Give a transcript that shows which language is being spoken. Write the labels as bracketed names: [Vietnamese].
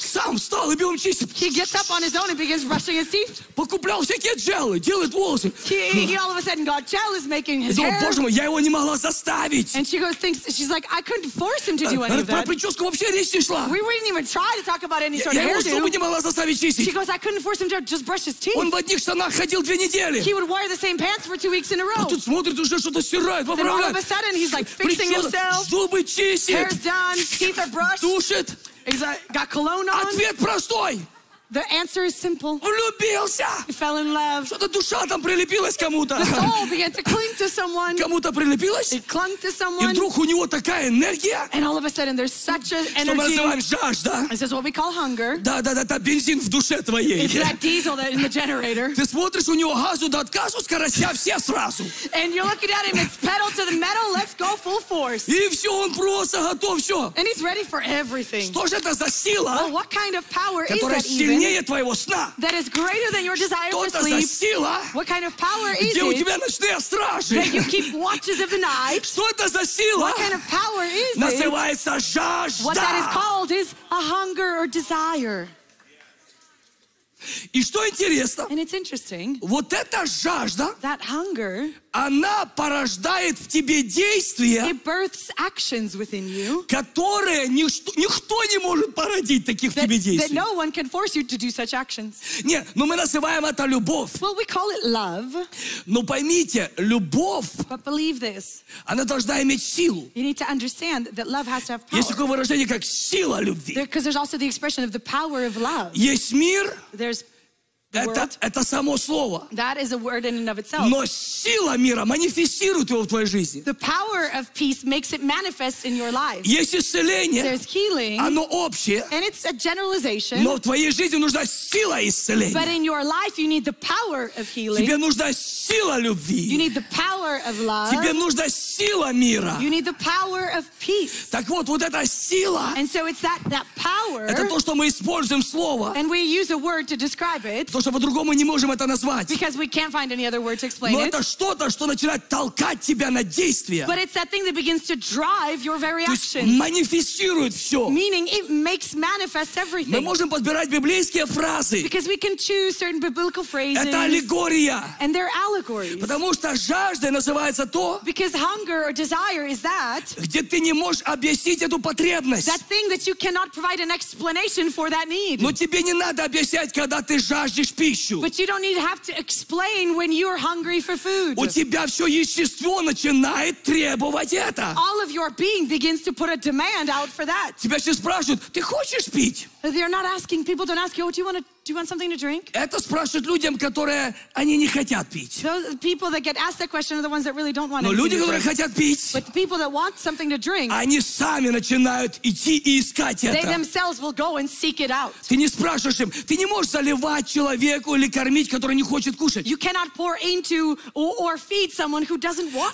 [Russian] Сам встал и бегом чистит. [English] He gets up on his own and begins brushing his teeth. [Russian] Покуплял всякие джелы, делает волосы. [English] He all of a sudden got gel, is making his [Russian] думал, [English] hair. [Russian] Боже мой, я его не могла заставить. [English] And she goes, thinks, she's like, I couldn't force him to do any of that. [Russian] Про прическу вообще речь не шла. [English] We wouldn't even try to talk about any sort [Russian] я [English] of hairdo. [Russian] Я его зубы не могла заставить чистить. [English] She goes, I couldn't force him to just brush his teeth. [Russian] Он в одних штанах ходил две недели. [English] He would wear the same pants for 2 weeks in a row. [Russian] А тут смотрит, уже что-то стирает, поправляет. [English] Then all of a sudden he's like fixing [Russian] прическа, [English] himself. [Russian] Зубы чистит. [English] Hair's done. Teeth are brushed. [Russian] Душит. [English] He's like, got cologne on. [Russian] Ответ простой. [English] The answer is simple. [Russian] Влюбился. [English] He fell in love. [Russian] Что-то душа там прилепилась кому-то. [English] The soul began to cling to someone. [Russian] Кому-то прилепилась. [English] It clung to someone. [Russian] И вдруг у него такая энергия. [English] And all of a sudden there's such an energy. [Russian] Что мы называем жажда. [English] This is what we call hunger. [Russian] Да, это бензин в душе твоей. [English] It's that diesel that in the generator. [Russian] Ты смотришь, у него газу до отказа, скорость все сразу. [English] And you're looking at him, it's pedal to the metal, let's go full force. [Russian] И все, он просто готов, все. [English] And he's ready for everything. [Russian] Что же это за сила? [English] Well, what kind of power is that even? [Russian] сильнее твоего сна. [English] That is greater than your desire for sleep. [Russian] Что это за сила? [English] What kind of power is it? [Russian] Где у тебя ночные стражи? [English] That you keep watches of the night. [Russian] Что это за сила? [English] What kind of power is it? [Russian] Называется жажда. [English] What that is called is a hunger or desire. [Russian] И что интересно? [English] And it's interesting. [Russian] Вот эта жажда, [English] that hunger, [Russian] она порождает в тебе действия, [English] it births actions within you, [Russian] которые никто не может породить таких [English] that, [Russian] в тебе действий. [English] That no one can force you to do such actions. [Russian] Нет, но мы называем это любовь. [English] Well, we call it love. [Russian] Но поймите, любовь, [English] but believe this, [Russian] она должна иметь силу. [English] You need to understand that love has to have power. [Russian] Есть такое выражение, как сила любви. [English] Because there's also the expression of the power of love. [Russian] Есть мир. [English] There's [Russian] это само слово. [English] That is a word in and of itself. [Russian] Но сила мира манифестирует его в твоей жизни. [English] The power of peace makes it manifest in your life. [Russian] Есть исцеление. [English] There's healing. [Russian] Оно общее. [English] And it's a generalization. [Russian] Но в твоей жизни нужна сила исцеления. [English] But in your life you need the power of healing. [Russian] Тебе нужна сила любви. [English] You need the power of love. [Russian] Тебе нужна сила мира. [English] You need the power of peace. [Russian] Так вот, вот эта сила. [English] And so it's that power. [Russian] Это то, что мы используем слово. [English] And we use a word to describe it. [Russian] Потому что по-другому не можем это назвать. Но это что-то, что начинает толкать тебя на действие. [English] But it's that thing that begins to drive your very actions. [Russian] То есть манифестирует все. [English] Meaning it makes manifest everything. [Russian] Мы можем подбирать библейские фразы. [English] Because we can choose certain biblical phrases. [Russian] Это аллегория. [English] And they're allegories. [Russian] Потому что жажда называется то. [English] Because hunger or desire is that. [Russian] Где ты не можешь объяснить эту потребность. [English] That thing that you cannot provide an explanation for that need. [Russian] Но тебе не надо объяснять, когда ты жаждешь. [English] But you don't need to have to explain when you're hungry for food. [Russian] У тебя все естество начинает требовать это. [English] All of your being begins to put a demand out for that. [Russian] Тебя сейчас спрашивают, ты хочешь пить? [English] They're not asking, people don't ask you, oh, do you want something to drink? [Russian] Это спрашивают людям, которые они не хотят пить. [English] Those people that get asked that question are the ones that really don't want to drink. [Russian] Но люди, которые хотят пить, [English] but the people that want something to drink, [Russian] они сами начинают идти и искать это. [English] They themselves will go and seek it out. [Russian] Ты не спрашиваешь им, ты не можешь заливать человеку или кормить, который не хочет кушать. [English] You cannot pour into or feed someone who doesn't want